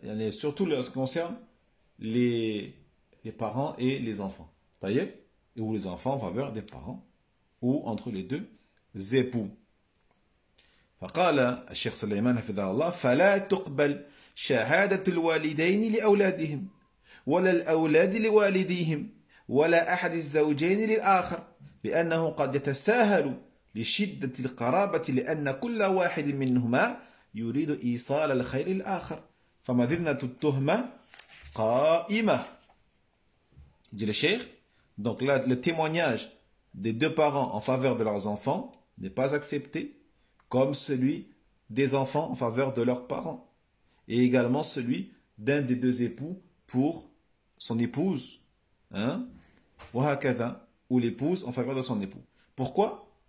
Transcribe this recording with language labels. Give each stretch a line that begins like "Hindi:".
French: Surtout en ce qui concerne les parents et les enfants. Et ou les enfants en faveur des parents. Ou entre les deux époux.
Arabic: فقال الشيخ سليمان حفظه الله فلا تقبل شهادة الوالدين لأولادهم ولا الأولاد لوالديهم ولا أحد الزوجين للآخر لأنه قد يتساهل لشدة القرابة لأن كل واحد منهما يريد إيصال الخير للآخر فمذنة التهمة قائمة.
French: Dit le Cheikh, donc là, le témoignage des deux parents en faveur de leurs enfants n'est pas accepté, comme celui des enfants en faveur de leurs parents, et également celui d'un des deux époux pour son épouse, hein, ou l'épouse en faveur de son époux. Pourquoi?